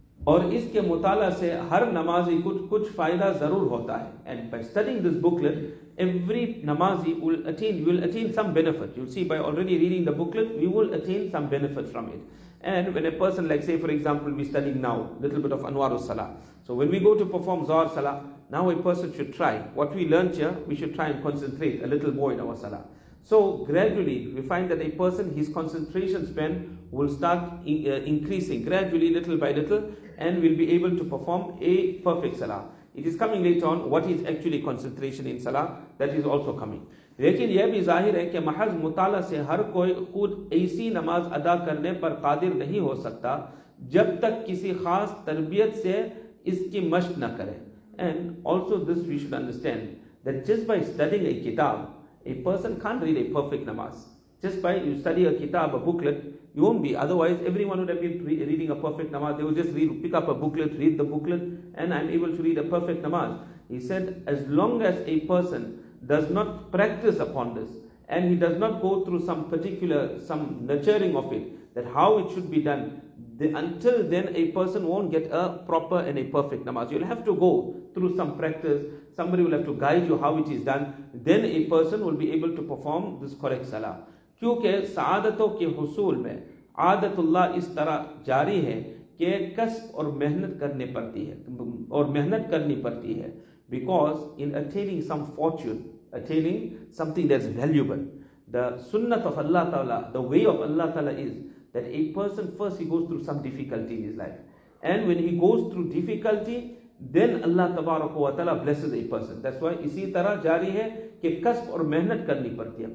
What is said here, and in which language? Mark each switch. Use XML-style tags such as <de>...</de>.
<ur>اور اس کے مطالعہ سے ہر نمازی کچھ فائدہ ضرور ہوتا ہے.</ur> <en>And by studying this booklet, every نمازی will attain some benefit. You'll see, by already reading the booklet, we will attain some benefit from it. And when a person, like say for example, we studying now, little bit of Anwaar Salah. So when we go to perform Zohar Salah, now a person should try. What we learned here, we should try and concentrate a little more in our Salah. So gradually, we find that a person, his concentration span will start increasing gradually, little by little, and will be able to perform a perfect Salah. It is coming later on, what is actually concentration in Salah, that is also coming.</en> <ur>لیکن یہ بھی ظاہر ہے کہ محض مطالعہ سے ہر کوئی خود ایسی نماز ادا کرنے پر قادر نہیں ہو سکتا جب تک کسی خاص تربیت سے اس کی مشق نہ کرے.</ur> <en>And also this we should understand, that just by studying a kitab, a person can't read a perfect namaz. Just by you study a kitab, a booklet, you won't be. Otherwise, everyone would have been reading a perfect namaz. They would just pick up a booklet, read the booklet, and I'm able to read a perfect namaz. He said, as long as a person does not practice upon this, and he does not go through some nurturing of it, that how it should be done, until then a person won't get a proper and a perfect namaz. You'll have to go through some practice. Somebody will have to guide you how it is done. Then a person will be able to perform this correct salah.</en> <ur>کیونکہ سعادتوں کے حصول میں عادت اللہ اس طرح جاری ہے کہ کسب اور محنت کرنے پڑتی ہے اور محنت کرنی پڑتی ہے.</ur> <en>Because in attaining some fortune, attaining something that's valuable, the sunnat of Allah Ta'ala, the way of Allah Ta'ala is that a person first he goes through some difficulty in his life. And when he goes through difficulty, then Allah Tabarak wa Ta'ala blesses a person. That's why</en> <ur>اسی طرح جاری ہے کہ کسب اور محنت کرنی پڑتی ہے.</ur>